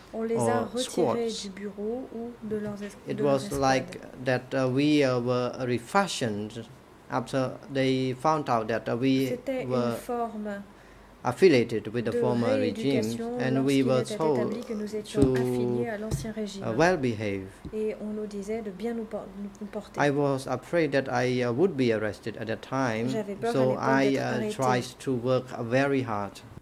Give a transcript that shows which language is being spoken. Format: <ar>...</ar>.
<fr>On les a retirés du bureau ou de leurs</fr> <en>It was like that we were refashioned after they found out that we were affiliated with the former regime, and we were told to well behave.</en> <fr>Et on nous disait de bien nous comporter.</fr> <en>I was afraid that I would be arrested at that time, so I tried to work very hard.</en>